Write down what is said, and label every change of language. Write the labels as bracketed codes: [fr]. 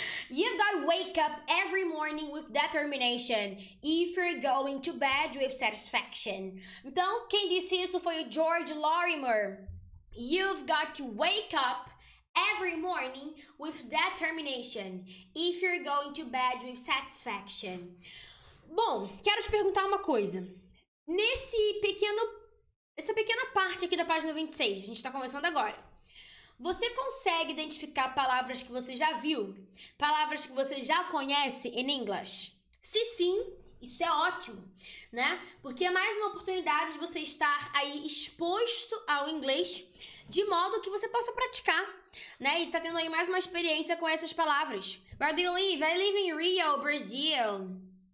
[en] You've got to wake up every morning with determination if you're going to bed with satisfaction. [pt] Então, quem disse isso foi o George Lorimer. [en] You've got to wake up every morning with determination if you're going to bed with satisfaction. [pt] Bom, quero te perguntar uma coisa. Nesse pequeno... Essa pequena parte aqui da página 26, a gente tá conversando agora. Você consegue identificar palavras que você já viu? Palavras que você já conhece em inglês? Se sim, isso é ótimo, né? Porque é mais uma oportunidade de você estar aí exposto ao inglês de modo que você possa praticar, né? E tá tendo aí mais uma experiência com essas palavras. [en] Where do you live? I live in Rio, Brazil.